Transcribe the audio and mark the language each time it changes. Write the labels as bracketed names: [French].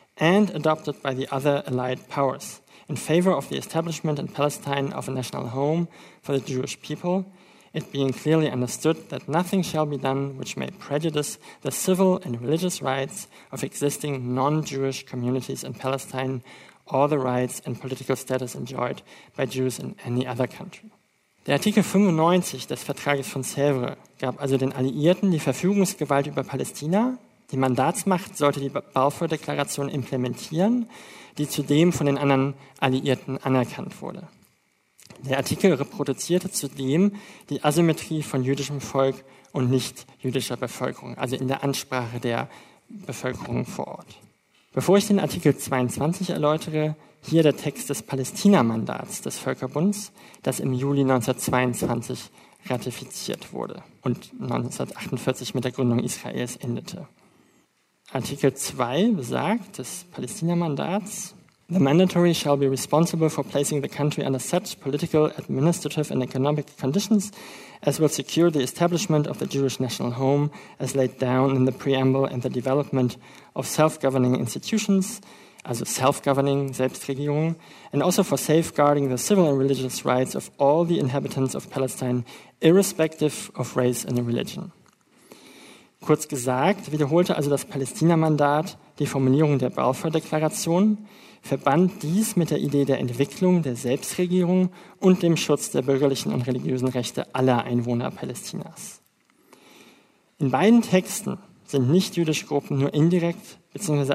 [English] and adopted by the other allied powers in favor of the establishment in Palestine of a national home for the Jewish people, it being clearly understood that nothing shall be done which may prejudice the civil and religious rights of existing non-Jewish communities in Palestine or the rights and political status enjoyed by Jews in any other country. [German] Der Artikel 95 des Vertrages von Sèvres gab also den Alliierten die Verfügungsgewalt über Palästina. Die Mandatsmacht sollte die Balfour-Deklaration implementieren, die zudem von den anderen Alliierten anerkannt wurde. Der Artikel reproduzierte zudem die Asymmetrie von jüdischem Volk und nicht-jüdischer Bevölkerung, also in der Ansprache der Bevölkerung vor Ort. Bevor ich den Artikel 22 erläutere, hier der Text des Palästina-Mandats des Völkerbunds, das im Juli 1922 ratifiziert wurde und 1948 mit der Gründung Israels endete. Artikel 2 besagt des Palästina-Mandats, [English] the mandatory shall be responsible for placing the country under such political, administrative and economic conditions as will secure the establishment of the Jewish national home as laid down in the preamble and the development of self-governing institutions, also self-governing, Selbstregierung, and also for safeguarding the civil and religious rights of all the inhabitants of Palestine, irrespective of race and religion. [German] Kurz gesagt, wiederholte also das Palästina-Mandat die Formulierung der Balfour-Deklaration, verband dies mit der Idee der Entwicklung der Selbstregierung und dem Schutz der bürgerlichen und religiösen Rechte aller Einwohner Palästinas. In beiden Texten sind nicht-jüdische Gruppen nur indirekt bzw.